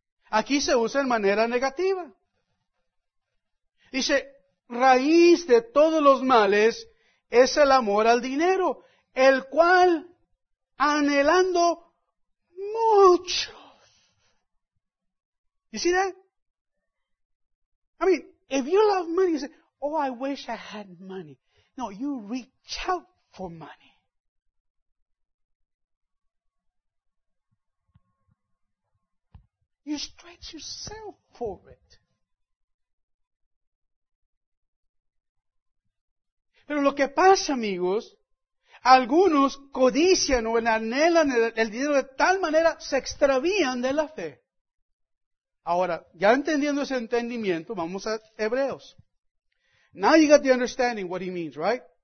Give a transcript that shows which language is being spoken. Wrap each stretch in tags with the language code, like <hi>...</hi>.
<es>Aquí se usa en manera negativa. Dice, raíz de todos los males es el amor al dinero, el cual anhelando muchos.</es> <en>You see that? I mean, if you love money, you say, oh, I wish I had money. No, you reach out for money. You stretch yourself for it.</en> <es>Pero lo que pasa, amigos, algunos codician o anhelan el dinero de tal manera, se extravían de la fe. Ahora, ya entendiendo ese entendimiento, vamos a Hebreos.</es> <en>Now you got the understanding what he means, right?</en>